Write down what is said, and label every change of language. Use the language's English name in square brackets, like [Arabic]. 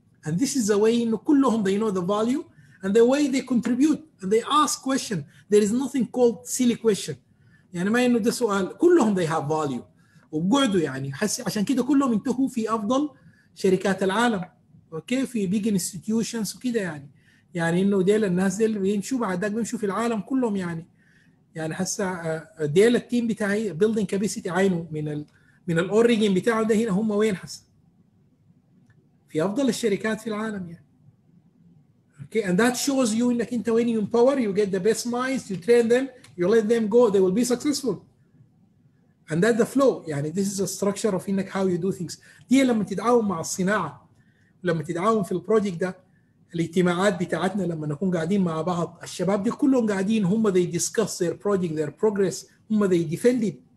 [English] And this is the way in kulluhum, they know the value and the way they contribute and they ask question. There is nothing called silly question. [Arabic] يعني ما إنه ده سؤال. كلهم [English] they have value. [Arabic] وقعدوا يعني عشان كده كلهم انتهوا في أفضل شركات العالم. أوكي في [English] big institutions [Arabic] وكده يعني. يعني إنه ديل الناس ديل بيمشوا بعدك بيمشوا في العالم كلهم يعني. يعني حس ديل التيم بتاعي [English] building capacity [Arabic] عينه من ال origin بتاعه ده هنا هم وين حس؟ في أفضل الشركات في العالم يعني. [English] Okay, and that shows you [Arabic] إنك أنت [English] when you empower, you get the best minds, you train them, you let them go, they will be successful. And that's the flow. يعني this is the structure of [Arabic] إنك [English] how you do things. [Arabic] دي لما تدعوهم مع الصناعة، لما تدعوهم في البروجيك ده، الاجتماعات بتاعتنا لما نكون قاعدين مع بعض، الشباب دي كلهم قاعدين هم [English] they discuss their project, their progress, [Arabic] هم [English] they defend it.